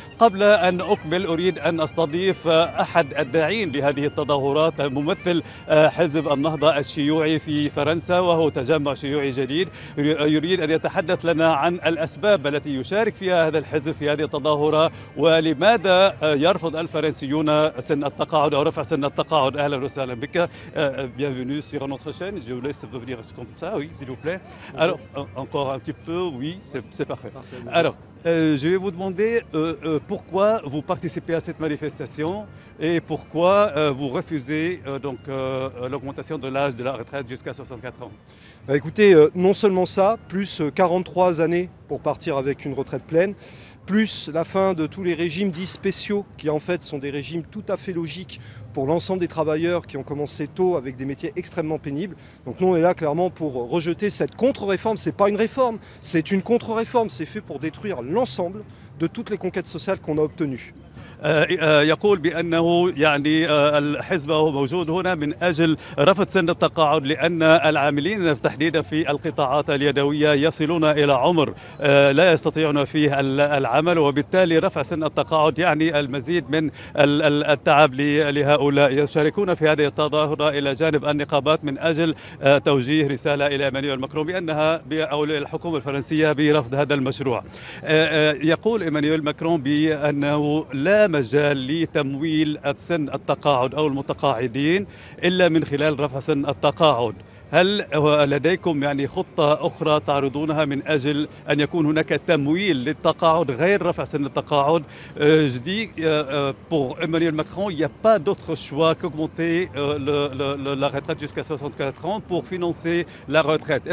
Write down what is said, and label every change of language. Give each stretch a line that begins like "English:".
Arabic: قبل أن أكمل أريد أن أستضيف أحد الداعين لهذه التظاهرات، ممثل حزب النهضة الشيوعي في فرنسا، وهو تجمع شيوعي جديد، يريد أن يتحدث لنا عن الأسباب التي يشارك فيها هذا الحزب في هذه التظاهرة، ولماذا يرفض الفرنسيون سن التقاعد أو رفع سن التقاعد. أهلا وسهلا بك.
French: Bienvenue sur notre chaîne. Je vous laisse venir comme ça. Oui, s'il vous plaît. Alors, encore un petit peu. Oui, c'est parfait. Alors. Je vais vous demander pourquoi vous participez à cette manifestation et pourquoi vous refusez l'augmentation de l'âge de la retraite jusqu'à 64 ans. Bah écoutez, non seulement ça, plus 43 années pour partir avec une retraite pleine, plus la fin de tous les régimes dits spéciaux, qui en fait sont des régimes tout à fait logiques pour l'ensemble des travailleurs qui ont commencé tôt avec des métiers extrêmement pénibles. Donc nous, on est là clairement pour rejeter cette contre-réforme. C'est pas une réforme, c'est une contre-réforme. C'est fait pour détruire l'ensemble de toutes les conquêtes sociales qu'on a obtenues.
Arabic: يقول بأنه يعني الحزب هو موجود هنا من أجل رفض سن التقاعد، لأن العاملين تحديدا في القطاعات اليدوية يصلون إلى عمر لا يستطيعون فيه العمل، وبالتالي رفع سن التقاعد يعني المزيد من التعب لهؤلاء. يشاركون في هذه التظاهرة إلى جانب النقابات من أجل توجيه رسالة إلى إيمانويل ماكرون بأنها أو للحكومة الفرنسية برفض هذا المشروع. يقول إيمانويل ماكرون بأنه لا مجال لتمويل سن التقاعد أو المتقاعدين إلا من خلال رفع سن التقاعد. هل لديكم يعني خطة أخرى تعرضونها من أجل أن يكون هناك تمويل للتقاعد غير رفع سن التقاعد؟
French: Je dis pour Emmanuel Macron, il n'y a pas d'autre choix qu'augmenter la retraite jusqu'à 64 ans pour financer la retraite.